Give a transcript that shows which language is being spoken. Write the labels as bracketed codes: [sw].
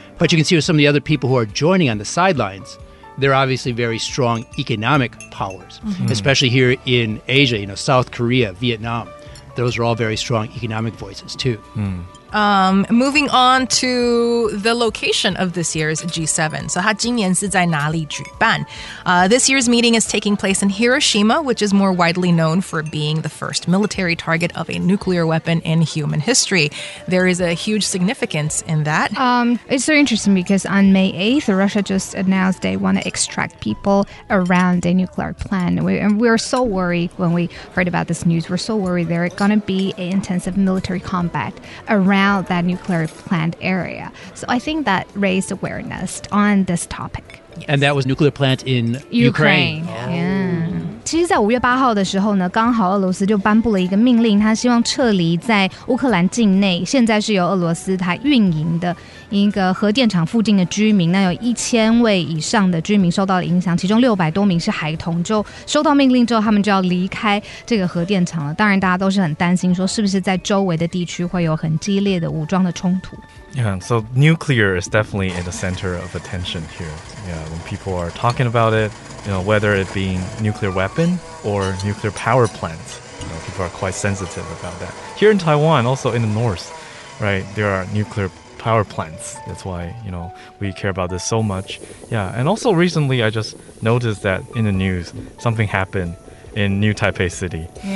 [en] But you can see with some of the other people who are joining on the sidelines, they're obviously very strong economic powers, especially here in Asia, you know, South Korea, Vietnam. Those are all very strong economic voices, too. Moving on to the location of this year's G7. [zh] So, 它今年是在哪里举办？ [en] This year's meeting is taking place in Hiroshima, which is more widely known for being the first military target of a nuclear weapon in human history. There is a huge significance in that. It's so interesting because on May 8th, Russia just announced they want to extract people around a nuclear plant. We're so worried when we heard about this news. We're so worried there is going to be an intensive military combat around that nuclear plant area. So I think that raised awareness on this topic. Yes. And that was nuclear plant in Ukraine. Yeah. [zh] 其实在5月8号的时候呢，刚好俄罗斯就颁布了一个命令，他希望撤离在乌克兰境内，现在是由俄罗斯他运营的一个核电厂附近的居民，那有1000位以上的居民受到了影响，其中600多名是孩童，就收到命令之后他们就要离开这个核电厂了。当然大家都是很担心说是不是在周围的地区会有很激烈的武装的冲突。 [en] Yeah, so nuclear is definitely in the center of attention here. Yeah, when people are talking about it, you know, whether it being nuclear weapon or nuclear power plant, you know, people are quite sensitive about that. Here in Taiwan, also in the north, right, there are nuclear power plants. That's why, you know, we care about this so much. Yeah, and also recently I just noticed that in the news, something happened in New Taipei City.